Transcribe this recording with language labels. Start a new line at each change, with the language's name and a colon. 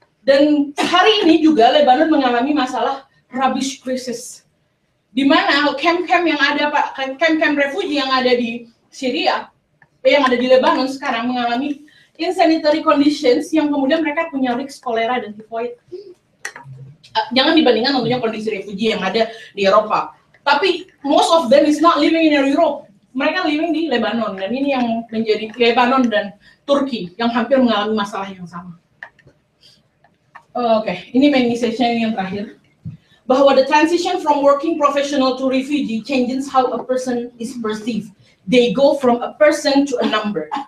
Indonesian: Dan hari ini juga Lebanon mengalami masalah
English: rubbish crisis
Indonesian: di mana camp-camp yang ada Pak, camp-camp refugi yang ada di Syria yang ada di Lebanon sekarang mengalami
English: insanitary conditions
Indonesian: yang kemudian mereka punya risk kolera dan typhoid. Jangan dibandingkan tentunya kondisi refugi yang ada di Eropa.
English: Tapi most of them is not living in Europe.
Indonesian: Mereka living di Lebanon dan ini yang menjadi Lebanon dan Turki yang hampir mengalami masalah yang sama. Oke, ini main session yang terakhir. Bahwa
English: the transition from working professional to refugee changes how a person is perceived. They go from a person to a number.